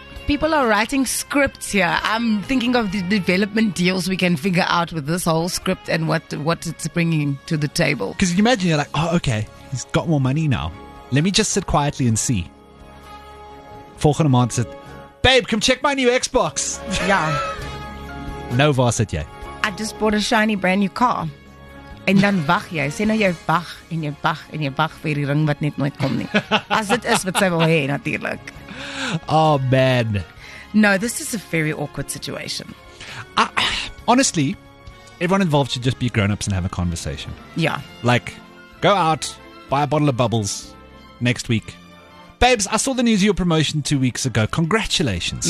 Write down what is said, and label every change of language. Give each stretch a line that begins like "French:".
English: People are writing scripts here. I'm thinking of the development deals we can figure out with this whole script and what it's bringing to the table. Because you imagine you're like, oh, okay, he's got more money now. Let me just sit quietly and see.
Afrikaans: Volgende maand
English: said, babe, come check my new Xbox. Yeah. No varsity. I just bought a shiny brand new car.
Afrikaans: En dan wag jy. Sê nou jy wag en jy wag en jy wag vir die ring wat net nooit kom nie. As dit is wat sy wil hê, natuurlik.
English: Oh, man. No, this is a very awkward situation. Honestly, everyone involved should just be grown-ups and have a conversation. Yeah. Like, go out, buy a bottle of bubbles next week. Babes, I saw the news of your promotion 2 weeks ago. Congratulations.